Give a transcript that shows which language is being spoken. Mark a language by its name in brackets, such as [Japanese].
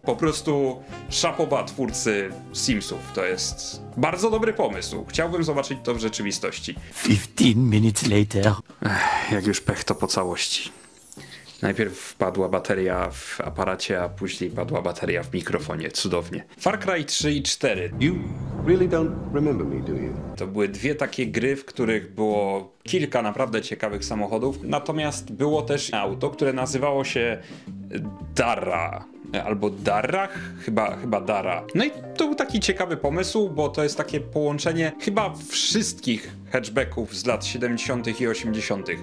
[Polish] Po prostu szapoba twórcy Simsów. To jest bardzo dobry pomysł. Chciałbym zobaczyć to w rzeczywistości. [English] 15 minutes later. [Polish] Jak już pech, to po całości. Najpierw padła bateria w aparacie, a później padła bateria w mikrofonie. Cudownie. Far Cry 3 i 4. [English] You really don't remember me, do you? [Polish] To były dwie takie gry, w których było kilka naprawdę ciekawych samochodów. Natomiast było też auto, które nazywało się Dara. Albo Darrach? Chyba Dara. No i to był taki ciekawy pomysł, bo to jest takie połączenie chyba wszystkich hatchbacków z lat 70. i 80.